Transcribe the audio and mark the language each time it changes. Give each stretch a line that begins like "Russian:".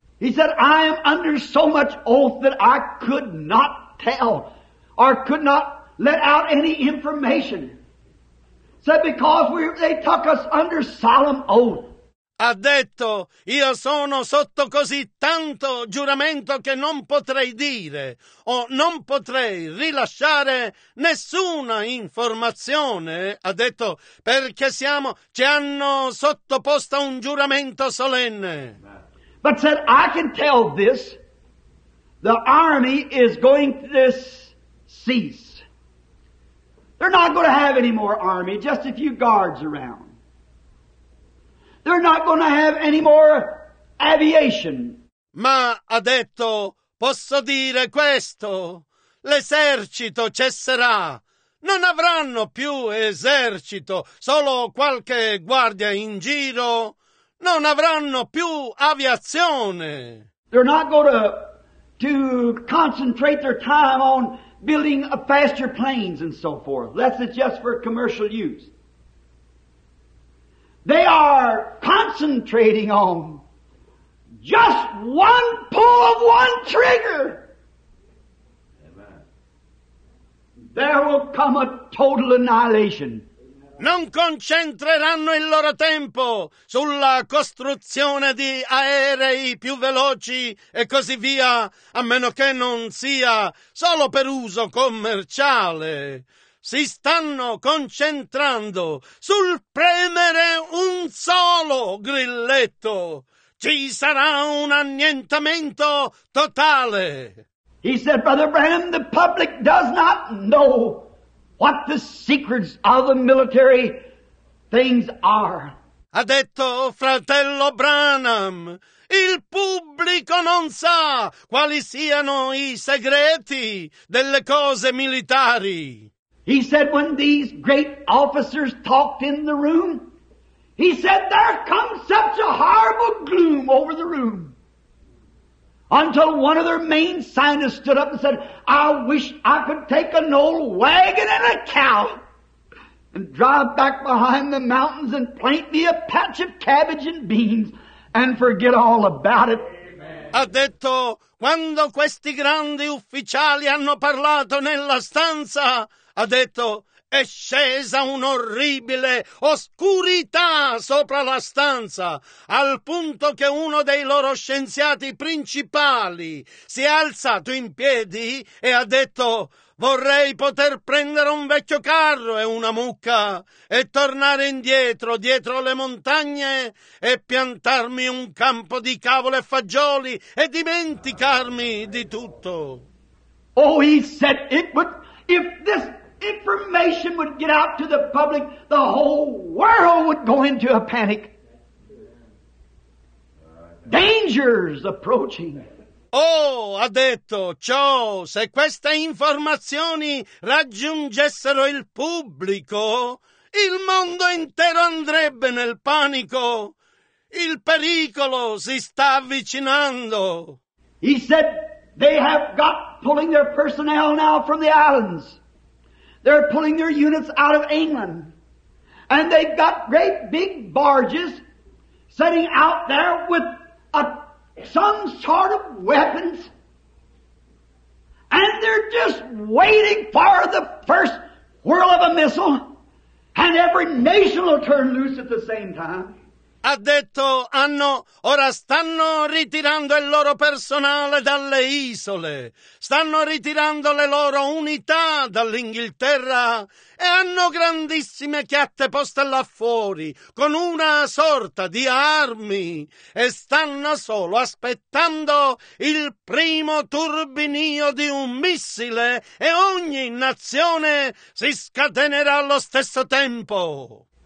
English: He said, I am under so much oath that I could not tell or could not let out any information. Said, because they took us under solemn oath.
Italian: ha detto: io sono sotto così tanto giuramento che non potrei dire o non potrei rilasciare nessuna informazione, ha detto, perché siamo, ci hanno sottoposto un giuramento solenne.
English: But said, I can tell this, the army is going to this cease. They're not going to have any more army, just a few guards around. They're not going to have any more aviation.
Italian: Ma ha detto, posso dire questo, l'esercito cesserà. Non avranno più esercito, solo qualche guardia in giro. Non avranno più aviazione.
English: They're not going to concentrate their time on building faster planes and so forth. That's it just for commercial use. They are concentrating on just one pull of one trigger. Amen. There will come a total annihilation.
Italian: Non concentreranno il loro tempo sulla costruzione di aerei più veloci e così via, a meno che non sia solo per uso commerciale. Si stanno concentrando sul premere un solo grilletto. Ci sarà un annientamento totale.
English: He said, Brother Branham, the public does not know what the secrets of the military things are.
Italian: Ha detto fratello Branham, il pubblico non sa quali siano i segreti delle cose militari.
English: He said, when these great officers talked in the room, he said, there comes such a horrible gloom over the room. Until one of their main scientists stood up and said, I wish I could take an old wagon and a cow and drive back behind the mountains and plant me a patch of cabbage and beans and forget all about it.
Italian: Ha detto, quando questi grandi ufficiali hanno parlato nella stanza, ha detto, è scesa un'orribile oscurità sopra la stanza, al punto che uno dei loro scienziati principali si è alzato in piedi e ha detto, vorrei poter prendere un vecchio carro e una mucca e tornare indietro, dietro le montagne, e piantarmi un campo di cavolo e fagioli e dimenticarmi di tutto.
English: Oh, he said, it would, if this information would get out to the public, the whole world would go into a panic. Danger's approaching.
Italian: Oh, ha detto, ciò, se queste informazioni raggiungessero il pubblico, il mondo intero andrebbe nel panico. Il pericolo si sta avvicinando.
English: He said, they have got pulling their personnel now from the islands. They're pulling their units out of England. And they've got great big barges sitting out there with some sort of weapons. And they're just waiting for the first whirl of a missile. And every nation will turn loose at the same time.
Italian: Ha detto, hanno, ora stanno ritirando il loro personale dalle isole, stanno ritirando le loro unità dall'Inghilterra e hanno grandissime chiatte poste là fuori con una sorta di armi e stanno solo aspettando il primo turbinio di un missile e ogni nazione si scatenerà allo stesso tempo.